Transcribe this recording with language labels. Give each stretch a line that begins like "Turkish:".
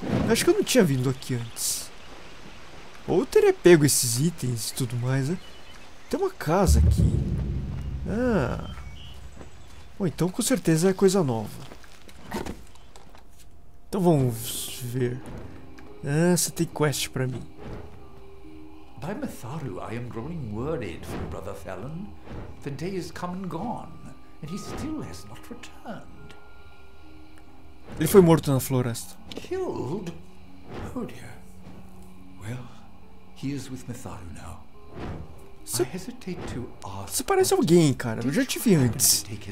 Portuguese: Acho que eu não tinha vindo aqui antes. Ou eu teria pego esses itens e tudo mais, né? Tem uma casa aqui. Ah... Bom, então com certeza é coisa nova. Então vamos ver. Ah, você tem quest pra mim.
English: By Matharu, I am growing worried for Brother Felon. The day is come and gone, and he still has not returned.
Portuguese: Ele foi morto na floresta.
English: Killed? Oh dear. Well, he is with Matharu now.
Portuguese: Você parece alguém, cara. Eu já te vi antes.